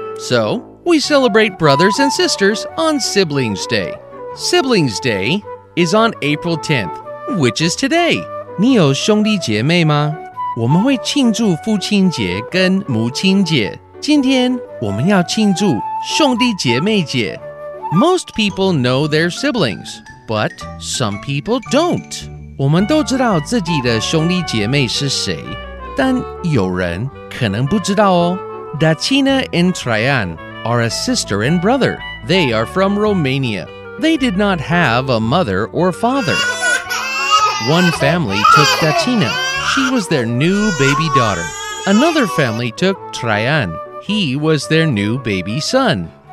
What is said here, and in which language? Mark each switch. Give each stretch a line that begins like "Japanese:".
English: So, we celebrate brothers and sisters on Siblings Day. Siblings Day is on April 10th, which is today.
Chinese: 你有兄弟姐妹吗？我们会庆祝父亲节跟母亲节。今天我们要庆祝兄弟姐妹节。
English: Most people know their siblings, but some people don't.
Chinese: 我们都知道自己的兄弟姐妹是谁，但有人可能不知道哦。
English: Dacina and Traian are a sister and brother. They are from Romania. They did not have a mother or father. One family took Dacina. She was their new baby daughter. Another family took Traian. He was their new baby son.